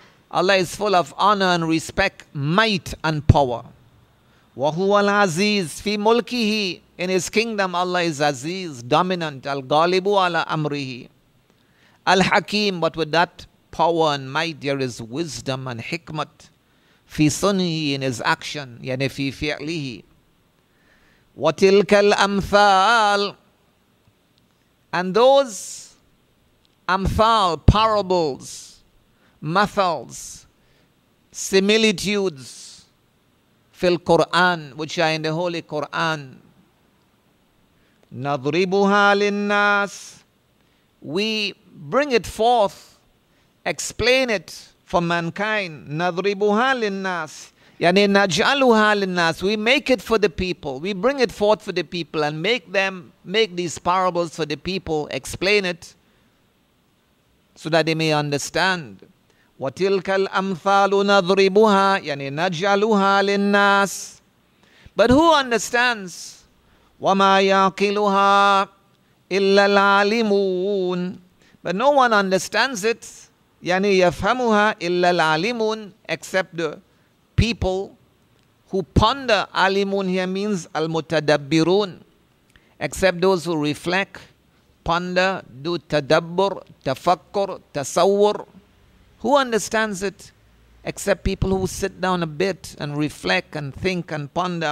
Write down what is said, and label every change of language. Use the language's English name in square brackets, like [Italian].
[English] Allah is full of honor and respect, might and power. [Arabic] وَهُوَ الْعَزِيزُ فِي مُلْكِهِ. [English] In His kingdom, Allah is Aziz, dominant, [Arabic] Al-Ghalibu ala Amrihi. [English] Al-Hakim, but with that power and might, there is wisdom and hikmat. [Arabic] فِي سُنِهِ, [English] in His action, [Arabic] يَنِ فِي فِعْلِهِ. وَتِلْكَ الْأَمْثَالِ. [English] And those amthal, parables, mathals, similitudes, fil Quran, which are in the Holy Quran, [Arabic] nadribuha linnas, [English] we bring it forth, explain it for mankind. [Arabic] Nadribuha linnas, yani najaluha linnas, [English] we make it for the people, we bring it forth for the people and make them, make these parables for the people, explain it so that they may understand. [Arabic] وَتِلْكَ الْأَمْثَالُ نَضْرِبُهَا يَنِي نَجْعَلُهَا لِلنَّاسِ. [English] But who understands? [Arabic] وَمَا يَعْقِلُهَا إِلَّا الْعَالِمُونَ. [English] But no one understands it. [Arabic] يَنِي يَفْهَمُهَا إِلَّا الْعَالِمُونَ, [English] except the people who ponder, alimun here means al-mutadabbirun, except those who reflect, ponder, do tadabbur, tafakkur, tasawwur. Who understands it except people who sit down a bit and reflect and think and ponder?